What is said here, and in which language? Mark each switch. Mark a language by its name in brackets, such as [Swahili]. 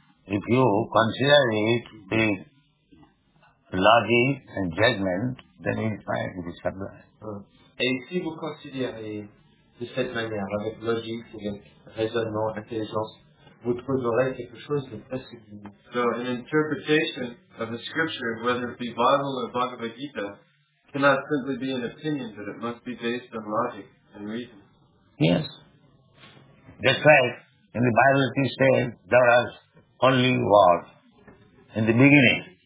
[English] If you consider it the logic and judgment, then it might be sublime. [French] Et si vous considérez de cette manière, avec logique, avec raisonnement, intelligence, vous trouverez quelque chose de presque divin. [English] So an interpretation of the scripture, whether it be Bible or Bhagavad Gita, cannot simply be an opinion, but it must be based on logic and reason. Yes. That's right. In the Bible it is said, there are only word in the beginning.